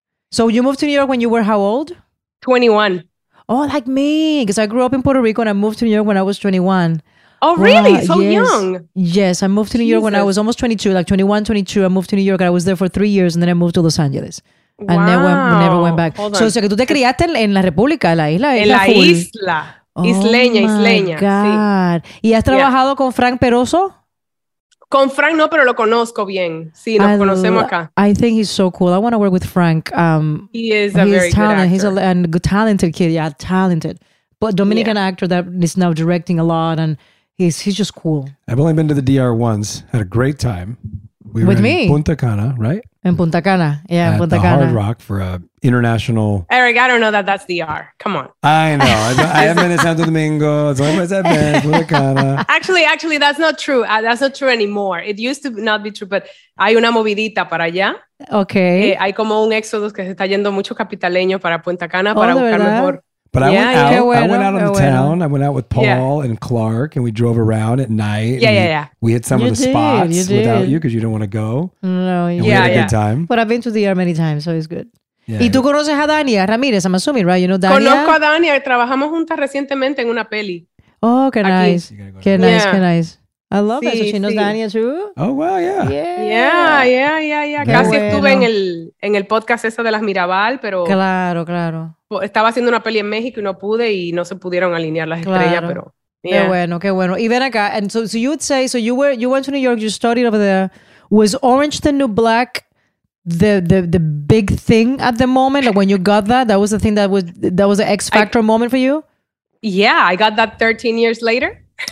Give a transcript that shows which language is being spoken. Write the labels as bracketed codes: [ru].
[en] So you moved to New York when you were how old? 21. Oh, like me. Because I grew up in Puerto Rico and I moved to New York when I was 21. Oh, really? Wow. So yes. Young. Yes. I moved to New York when I was almost 22, like 21, 22. I moved to New York and I was there for 3 years and then I moved to Los Angeles. And wow. never went back. Hold on. [es] So, que tú te criaste en la República, la isla. En la isla. Isleña. [en] God. [es] Sí. ¿Y has trabajado con Frank Peroso? Con Frank no, pero lo conozco bien. Sí, nos conocemos acá. [en] I think he's so cool. I want to work with Frank. He's a very good actor. He's a talented kid. Yeah, talented. But Dominican actor that is now directing a lot. And he's just cool. I've only been to the DR once. Had a great time. With me? Punta Cana, right? In Punta Cana. Yeah, at Punta the Cana. Hard Rock for a international... Eric, I don't know that that's DR. Come on. I know. I haven't been in Santo Domingo. It's only place I've been. Punta Cana. Actually, that's not true. That's not true anymore. It used to not be true, but [es] hay una movidita para allá. [en] Okay. [es] Hay como un éxodo que se está yendo mucho capitaleño para Punta Cana para buscar mejor. [en] But I went out. I went out on the town. I went out with Paul and Clark, and we drove around at night. We hit some of the spots without you because you don't want to go. No, we had a good time. But I've been to the DR many times, so it's good. Yeah. [es] Y tú conoces a Dania Ramírez, [en] I'm assuming, right? You know Dania? [es] Conozco a Dania. Trabajamos juntas recientemente en una peli. Oh, qué nice. Qué nice. [en] I love that. So she knows Dania too? Oh, wow, yeah. [es] Casi estuve en el podcast ese de las Mirabal, pero... Claro, claro. Estaba haciendo una peli en México y no pude y no se pudieron alinear las estrellas, pero... Yeah. Qué bueno. Y ven acá. [en] And so you would say, so you went to New York, you studied over there. Was Orange the New Black... The big thing at the moment, like when you got that was the thing that was the X factor moment for you? Yeah, I got that 13 years later.